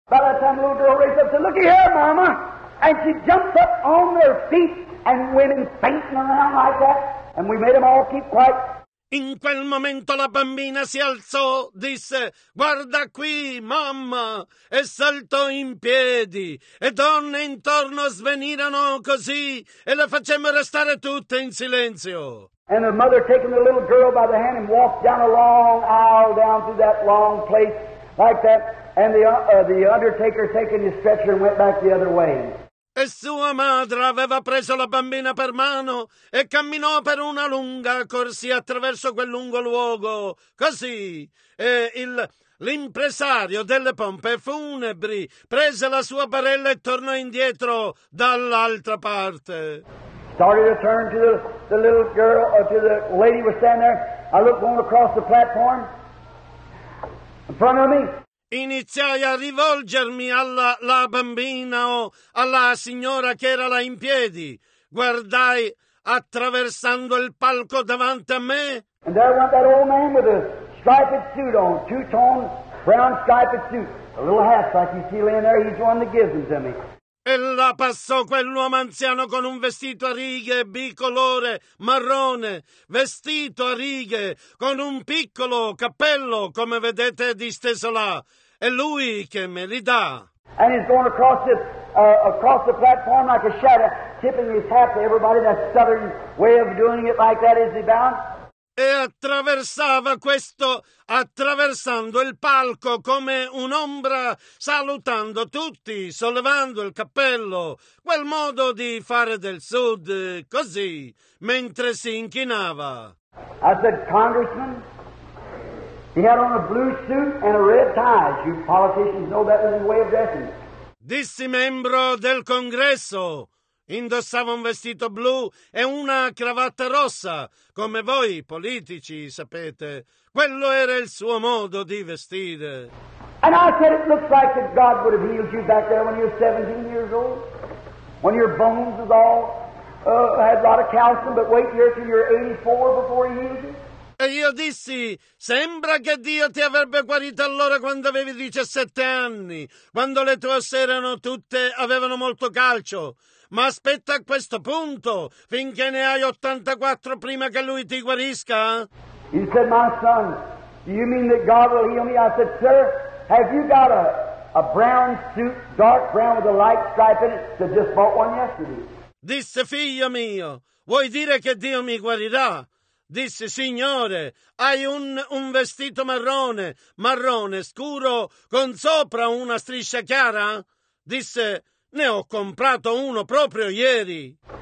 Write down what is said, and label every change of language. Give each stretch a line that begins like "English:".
English: By that time, the little girl raised up and said, "Looky here, mama." And she jumped up on their feet and went and fainting around like that. And we made them all keep quiet.
Italian: In quel momento la bambina si alzò, disse, guarda qui, mamma, e saltò in piedi. E donne intorno svenirono così e le facemmo restare tutte in silenzio.
English: And the mother taking the little girl by the hand and walked down a long aisle down through that long place like that. And the undertaker taking his stretcher and went back the other way.
Italian: E sua madre aveva preso la bambina per mano e camminò per una lunga corsia attraverso quel lungo luogo, così. E l'impresario delle pompe funebri prese la sua barella e tornò indietro dall'altra parte.
English: Started to turn to the little girl, or to the lady who was standing there. I looked going across the platform in front of me.
Italian: Iniziai a rivolgermi alla la bambina o alla signora che era là in piedi. Guardai attraversando il palco davanti a me.
English: And there went that old man with a striped suit on, two-toned brown striped suit, a little hat like you see laying there. He's one that gives them to me.
Italian: E là passò quell'uomo anziano con un vestito a righe bicolore marrone, vestito a righe, con un piccolo cappello, come vedete, disteso là. È lui che me li dà.
English: And he's going across the platform like a shadow, tipping his hat to everybody, that southern way of doing it like that as he bound.
Italian: E attraversava questo, attraversando il palco come un'ombra, salutando tutti, sollevando il cappello, quel modo di fare del sud, così, mentre si inchinava.
English: I said, Congressman, he had on a blue suit and a red tie. You politicians know that was his way of dressing.
Italian: Dissi, membro del congresso, indossava un vestito blu e una cravatta rossa, come voi politici sapete. Quello era il suo modo di vestire.
English: And I said, it looks like that God would have healed you back there when you were 17 years old, when your bones was all had a lot of calcium, but wait here till you're 84 before he healed you.
Italian: E io dissi, sembra che Dio ti avrebbe guarito allora quando avevi 17 anni, quando le tue ossa erano tutte, avevano molto calcio. Ma aspetta a questo punto, finché ne hai 84 prima che lui ti guarisca.
English: He said, my son, do you mean that God will heal me? I said, sir, have you got a brown suit, dark brown with a light stripe in it, that just bought one yesterday?
Italian: Disse, figlio mio, vuoi dire che Dio mi guarirà? Disse, signore, hai un vestito marrone, marrone scuro, con sopra una striscia chiara? Disse, ne ho comprato uno proprio ieri.